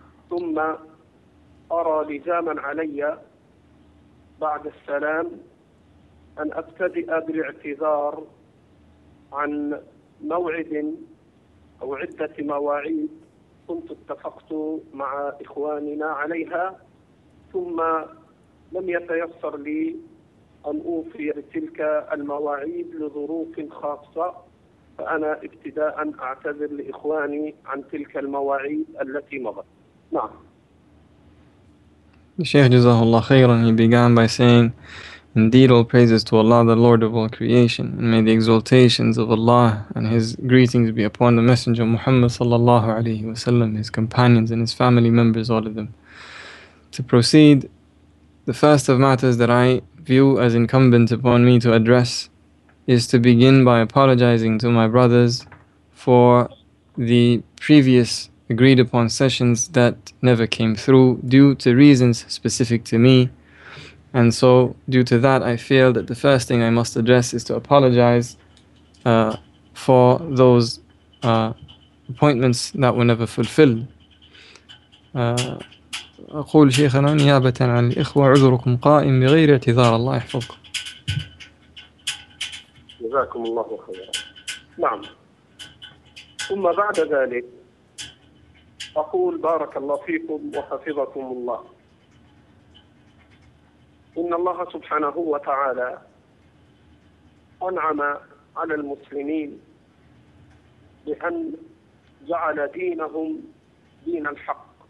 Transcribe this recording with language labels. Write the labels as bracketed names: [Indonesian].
[Arabic] ثم أرى لزاما علي بعد السلام أن أبتدئ بالاعتذار عن موعد أو عدة مواعيد كنت اتفقت مع إخواننا عليها، ثم لم يتيسر لي أن أوفي بتلك المواعيد لظروف خاصة، فأنا ابتداء أعتذر لإخواني عن تلك المواعيد التي مضت. نعم. [English] The Shaykh Jazahullah Khairan, he began by saying, indeed all praises to Allah, the Lord of all creation, and may the exaltations of Allah and His greetings be upon the Messenger Muhammad sallallahu alayhi wa sallam, his companions and his family members, all of them. To proceed, the first of matters that I view as incumbent upon me to address is to begin by apologizing to my brothers for the previous agreed upon sessions that never came through due to reasons specific to me. And so due to that, I feel that the first thing I must address is to apologize for those appointments that were never fulfilled. [Arabic] أقول شيخنا نيابة عن الإخوة عذركم قائم بغير اعتذار الله يحفظكم. جزاكم الله خيرا. نعم. ثم بعد ذلك أقول بارك الله فيكم وحفظكم الله، إن الله سبحانه وتعالى أنعم على المسلمين بأن جعل دينهم دين الحق،